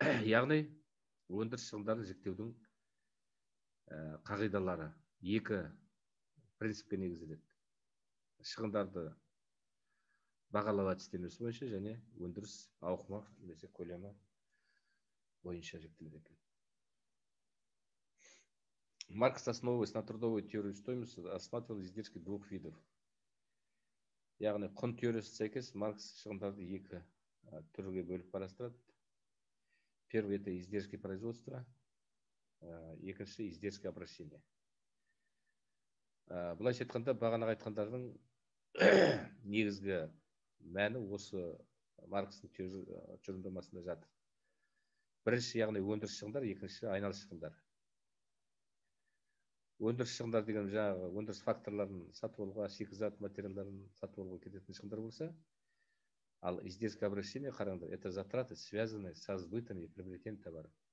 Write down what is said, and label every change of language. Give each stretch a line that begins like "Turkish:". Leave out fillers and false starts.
Kazakh: Яғни өндіріс шығындарын жіктеудің қағидалары екі принципке негізделеді. Шығындарды бағалау әдістемесі бойынша және өндіріс ауқымы немесе көлемі бойынша жіктеледі екен.
Russian: Маркс, основываясь на трудовой теории стоимости, осматривал издержки двух видов.
Kazakh: Яғни құн теориясы сәйкес Маркс шығындарды екі түрге бөліп қарастырады.
Russian: Первый – это издержки производства, екінші – издержки обращения.
Kazakh: Былайша айтқанда, бағанағы айтқандардың негізгі мәні осы Маркстың тұжырымдамасында жатыр. Бірінші, яғни өндіріс шығындар, екінші – айналыс шығындар. Өндіріс шығындар деген жаңағы өндіріс факторларын сатып алуға, шикізат материалдарын сатып алуға кететін шығындар болса, ал издержки обращения, қараңдар, это затраты, связанные со сбытом и приобретением товара.